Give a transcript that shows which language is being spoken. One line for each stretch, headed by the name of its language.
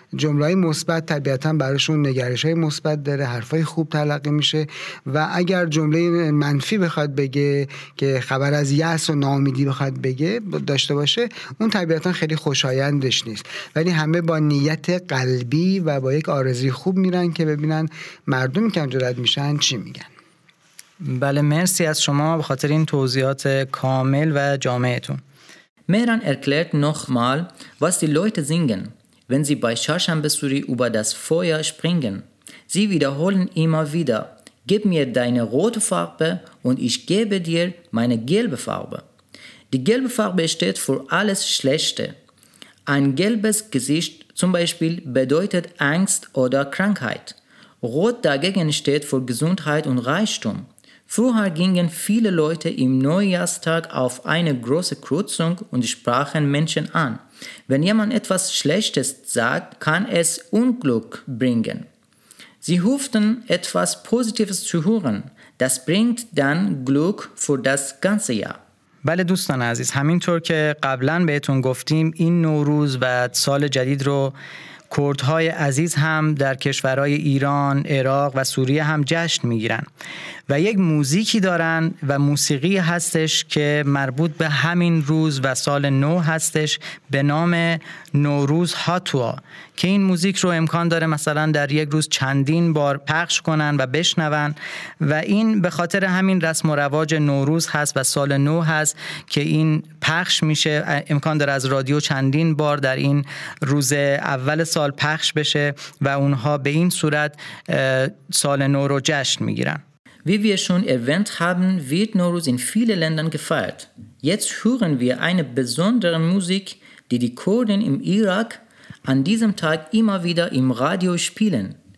Persian: جمله‌های مثبت طبیعتاً براشون نگرش‌های مثبت داره، حرفای خوب تلقی میشه، و اگر جمله منفی بخواد بگه که خبر از یأس و ناامیدی بخواد بگه داشته باشه، اون طبیعتاً خیلی خوشایندش نیست. ولی همه با نیت قلبی و با یک آرزوی خوب میرن که ببینن مردم که اونجا رد میشن چی میگن. بله، مرسی از شما به خاطر این توضیحات کامل و جامعتون.
German: Mehran erklärt nochmal, was die Leute singen, wenn sie bei Çarşamba Suri über das Feuer springen. Sie wiederholen immer wieder: Gib mir deine rote Farbe und ich gebe dir meine gelbe Farbe. Die gelbe Farbe steht für alles Schlechte. Ein gelbes Gesicht zum Beispiel bedeutet Angst oder Krankheit. Rot dagegen steht für Gesundheit und Reichtum. Früher gingen viele Leute im Neujahrstag auf eine große Kreuzung und sprachen Menschen an. Wenn jemand etwas Schlechtes sagt, kann es Unglück bringen. Sie hofften, etwas Positives zu hören. Das bringt dann Glück für das ganze Jahr.
Persian: بله دوستان عزیز، همینطور که قبلا بهتون گفتیم، این نوروز و سال جدید رو کردهای عزیز هم در کشورهای ایران، عراق و سوریه هم جشن میگیرن و یک موزیکی دارن و موسیقی هستش که مربوط به همین روز و سال نو هستش به نام نوروز هاتوا، که این موزیک رو امکان داره مثلا در یک روز چندین بار پخش کنن و بشنون، و این به خاطر همین رسم و رواج نوروز هست و سال نو هست که این پخش میشه، امکان داره از رادیو چندین بار در این روز اول سال پخش بشه و اونها به این صورت سال نو رو جشن میگیرن.
German: Wie wir schon erwähnt haben, wird Nowruz in vielen Ländern gefeiert. Jetzt hören wir eine besondere Musik, die die Kurden im Irak an diesem Tag immer wieder im Radio spielen.